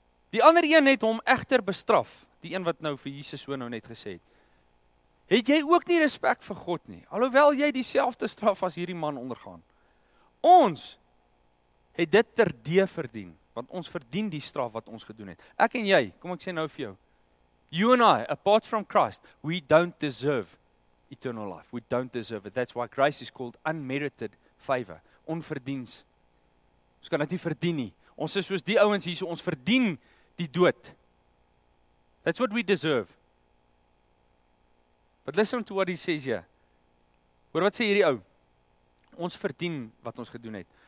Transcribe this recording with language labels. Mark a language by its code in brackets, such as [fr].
[af] Die ander een het hom egter bestraf. Die een wat nou vir Jesus so nou net gesê het. Het jy ook nie respek vir God nie? Alhoewel jy dieselfde straf as hierdie man ondergaan. Ons het dit terdee verdien. Want ons verdien die straf wat ons gedoen het. Ek en jy, kom ek sê nou vir jou. [en] You and I, apart from Christ, we don't deserve eternal life. We don't deserve it. That's why grace is called unmerited favor. Onverdiens. [af] Ons kan dit nie verdien nie. Ons is soos die ouens hier, ons verdien die dood. [en] That's what we deserve. But listen to what he says here. [af] Hoor wat sê hierdie ou? Ons verdien wat ons gedoen het.